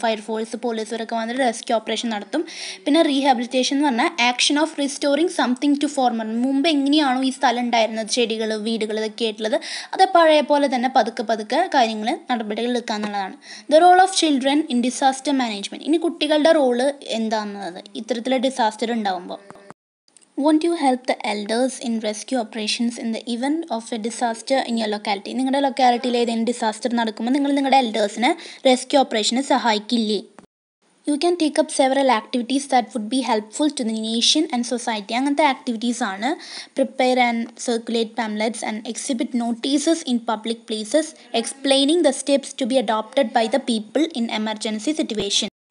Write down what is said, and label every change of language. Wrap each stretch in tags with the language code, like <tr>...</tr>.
<ml>Fire force, പോലീസുകാരൊക്കെ വന്നിട്ട് rescue operation നടത്തും. പിന്നെ റീഹാബിലിറ്റേഷൻ എന്ന് പറഞ്ഞാൽ</ml> <en>action of restoring something to former,</en> <ml>മുമ്പ് എങ്ങനെയാണോ ഈ സ്ഥലം ഉണ്ടായിരുന്നത്, ചെടികൾ, വീടുകൾ ഇതൊക്കെ ആയിട്ടുള്ളത്, അത് പഴയ പോലെ തന്നെ പതുക്കെ പതുക്കെ കാര്യങ്ങൾ നടപടികൾ എടുക്കുക എന്നുള്ളതാണ്.</ml> <en>the role of children in disaster management,</en> <ml>ഇനി കുട്ടികളുടെ റോള് എന്താണെന്നത് ഇത്തരത്തിലുള്ള ഡിസാസ്റ്റർ ഉണ്ടാകുമ്പോൾ.</ml> <en>Won't you help the elders in rescue operations in the event of a disaster in your locality?</en> <ml>നിങ്ങളുടെ ലൊക്കാലിറ്റിയിൽ ഏതെങ്കിലും ഡിസാസ്റ്റർ നടക്കുമ്പോൾ നിങ്ങൾ നിങ്ങളുടെ എൽഡേഴ്സിനെ rescue operation സഹായിക്കില്ലേ?</ml> <en>You can take up several activities that would be helpful to the nation and society.</en> <ml>അങ്ങനത്തെ ആക്ടിവിറ്റീസാണ്</ml> <en>Prepare and circulate pamphlets and exhibit notices in public places explaining the steps to be adopted by the people in emergency situation.</en>